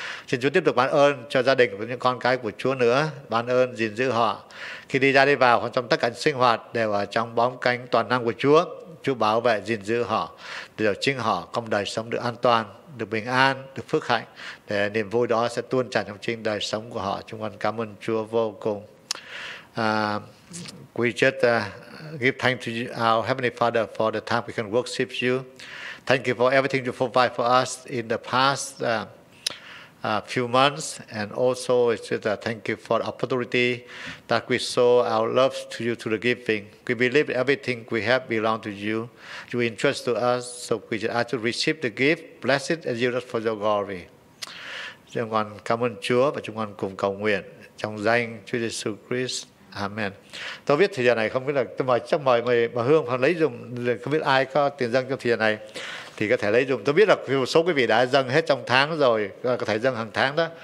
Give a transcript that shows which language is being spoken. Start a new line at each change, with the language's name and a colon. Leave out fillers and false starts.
Vietnamese: Xin Chúa tiếp tục ban ơn cho gia đình và những con cái của Chúa nữa, ban ơn gìn giữ họ khi đi ra đi vào hoặc trong tất cả sinh hoạt đều ở trong bóng cánh toàn năng của Chúa. Chúa bảo vệ gìn giữ họ để chính họ công đời sống được an toàn, được bình an, được phước hạnh, để niềm vui đó sẽ tuôn tràn trong chính đời sống của họ. Chúng con cảm ơn Chúa vô cùng.
English: We just give thanks to our Heavenly Father for the time we can worship you. Thank you for everything you provide for us in the past few months, and also it's just thank you for the opportunity that we show our love to you through the giving. We believe everything we have belongs to you. You entrust to us, so we just ask to receive the gift, bless it, and use it for your glory.
Vietnamese: Chúng con cảm ơn Chúa và chúng con cùng cầu nguyện trong danh Chúa Giêsu Christ. Amen. Tôi biết thời gian này không biết là tôi mời chắc mời mời bà Hương hoặc lấy dùng, không biết ai có tiền dâng trong thời gian này thì có thể lấy dùng. Tôi biết là một số quý vị đã dâng hết trong tháng rồi, có thể dâng hàng tháng đó.